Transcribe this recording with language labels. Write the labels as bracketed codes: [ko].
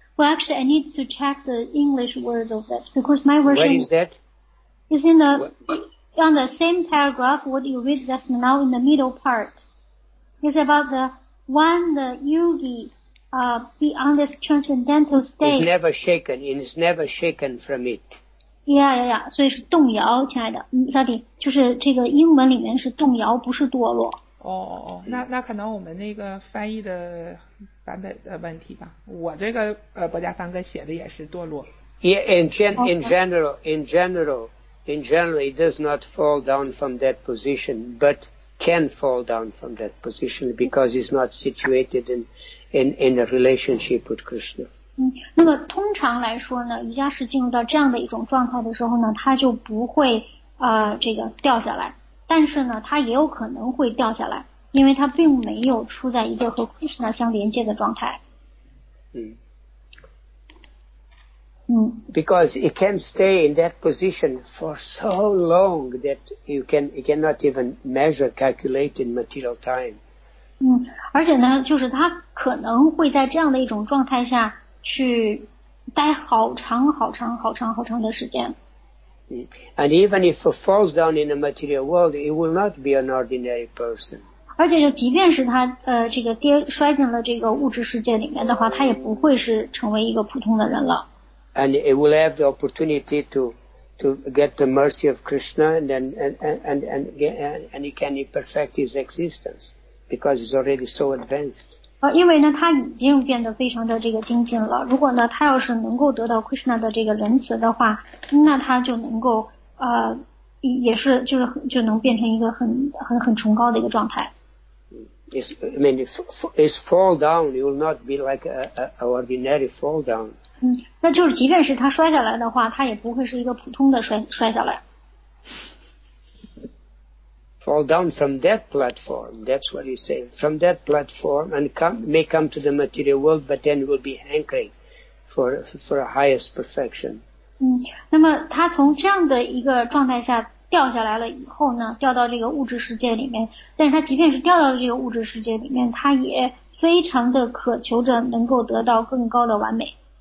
[en] Well, actually, I need to check the English words of that because my version. Where is that? It's in the on the same paragraph. What you read that now in the middle part. It's about the one the yogi be on this transcendental state. It's never shaken. It is never shaken from it. Yeah. [zh] 所以是动摇，亲爱的，萨迪，就是这个英文里面是动摇，不是堕落。哦，那可能我们那个翻译的版本的问题吧。我这个博家凡哥写的也是堕落。 [en] Yeah, in general, it does not fall down from that position, but can fall down from that position because it's not situated in a relationship with Krishna. [zh] 嗯，那么通常来说呢，瑜伽士进入到这样的一种状态的时候呢，他就不会这个掉下来。但是呢，他也有可能会掉下来，因为他并没有处在一个和 Krishna 相连接的状态。 [en] Because it can stay in that position for so long that you cannot even measure, calculate in material time. [zh] 而且呢，就是他可能会在这样的一种状态下去待好长好长好长好长的时间。 [en] And even if it falls down in the material world, it will not be an ordinary person. [zh] 而且就即便是他这个跌摔进了这个物质世界里面的话，他也不会是成为一个普通的人了。 [en] And it will have the opportunity to get the mercy of Krishna, and he can perfect his existence because he's already so advanced. [zh] 因为呢，他已经变得非常的这个精进了。如果呢，他要是能够得到 Krishna 的这个仁慈的话，那他就能够也是就是就能变成一个很崇高的一个状态。 [en] It's fall down. You will not be like a ordinary fall down. [zh] 那就是即便是他摔下来的话，他也不会是一个普通的摔下来。 [en] Fall down from that platform. That's what he said. From that platform and may come to the material world, but then will be hankering for a highest perfection. [zh] 那么他从这样的一个状态下掉下来了以后呢，掉到这个物质世界里面。但是他即便是掉到这个物质世界里面，他也非常的渴求着能够得到更高的完美。